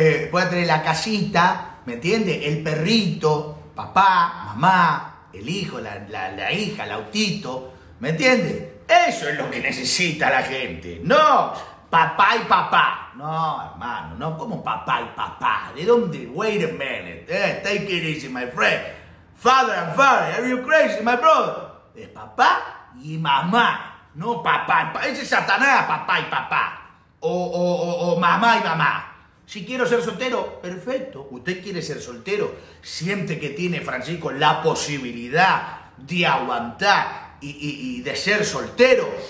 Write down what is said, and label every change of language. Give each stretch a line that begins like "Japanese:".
Spanish: Puedes tener la casita, ¿me entiendes? El perrito, papá, mamá, el hijo, la hija, el autito, ¿me entiendes? Eso es lo que necesita la gente. No, papá y papá. No, hermano, no, ¿cómo papá y papá? ¿De dónde?
English: Wait a minute. Take it easy, my friend. Father and father, are you crazy, my brother?
Spanish: Es papá y mamá. No, papá, ese es Satanás, papá y papá. o mamá y mamá. Si quiero ser soltero, perfecto. Usted quiere ser soltero. Siente que tiene, Francisco, la posibilidad de aguantar y de ser soltero.